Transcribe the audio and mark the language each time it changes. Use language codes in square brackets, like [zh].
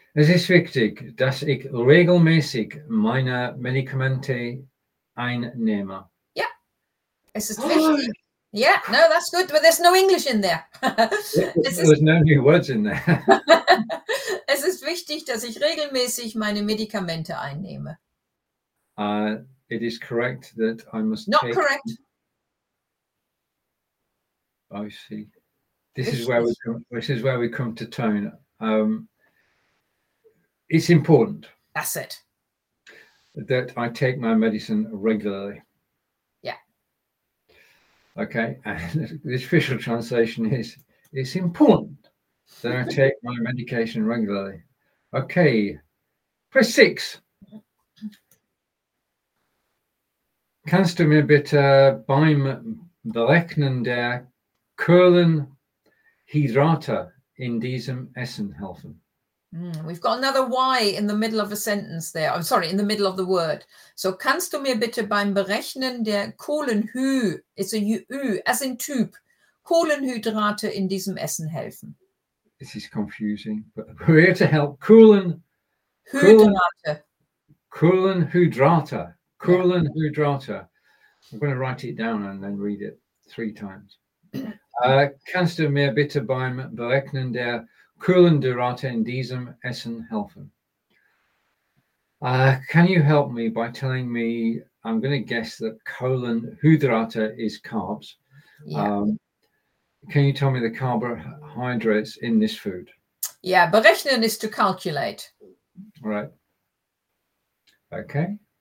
[de] Es ist wichtig, dass ich regelmäßig meine Medikamente einnehme. [en] Yeah. [de] Es ist wichtig. [en] Yeah, no, that's good, but there's no English in there. There's no new words in there. [de] Es ist wichtig, dass ich regelmäßig meine Medikamente einnehme. [en] It is correct that I must not take... correct. I see. This is where we come to tone. It's important. That's it. That I take my medicine regularly. Okay, and the official translation is, it's important that I take my medication regularly. Okay, press six. [de] Kannst du mir bitte beim Berechnen der Kohlenhydrate in diesem Essen helfen? [en] We've got another Y in the middle of a sentence there. I'm sorry, in the middle of the word. [de] So, kannst du mir bitte beim Berechnen der Kohlenhy, [en] it's a Ü, as in Typ, [de] Kohlenhydrate in diesem Essen helfen? [en] This is confusing, but we're here to help. Kohlenhydrate. Kohlenhydrate. Kohlenhydrate. I'm going to write it down and then read it three times. [de] Kannst du mir bitte beim Berechnen der Kohlenhydrate in diesem Essen helfen. [en] Can you help me by telling me, I'm going to guess that Kohlenhydrate is carbs. Yeah. Can you tell me the carbohydrates in this food? Yeah, berechnen is to calculate. Right. Okay.